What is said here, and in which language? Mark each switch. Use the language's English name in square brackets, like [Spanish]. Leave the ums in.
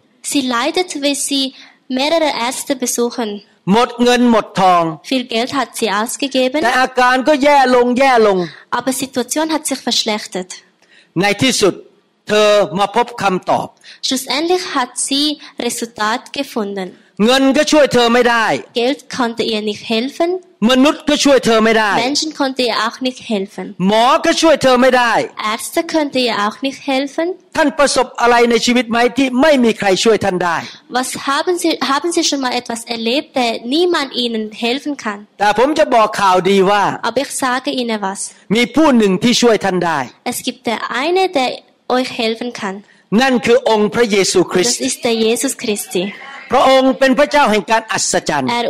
[German] Sie leidet, weil sie mehrere Ärzte besuchen. [Thai] หมดเงินหมดทอง [German] Viel Geld hat sie ausgegeben. [Thai] แต่อาการก็แย่ลงแย่ลง [German] Aber Situation hat sich, die Situation sich verschlechtert. [Thai] ในที่สุดเธอมาพบคำตอบ [German] Schlussendlich hat sie Resultat gefunden. [Thai] เงินก็ช่วยเธอไม่ได้ [German] Geld konnte ihr nicht helfen [Thai] มนุษย์ก็ช่วยเธอไม่ได้ [German] Menschen konnte ihr auch nicht helfen [Thai] หมอก็ช่วยเธอไม่ได้ [German] Ärzte konnte ihr auch nicht helfen [Thai] ท่านประสบอะไรในชีวิตไหมที่ไม่มีใครช่วยท่านได้ [German] Was haben Sie haben Sie schon mal etwas erlebt der niemand Ihnen helfen kann [Thai] แต่ผ มจะบอกข่าวดีว่า [German] Aber ich sage Ihnen was [Thai] มีผู้หนึ่งที่ช่วยท่านได้ [German] Es gibt der eine der euch helfen kann [Thai] นั่นคือองค์พระเยซูคริสต์ [German] Das ist der Jesus Christi [Thai] พระองค์เป็นพระเจ้าแห่งการอัศจรรย์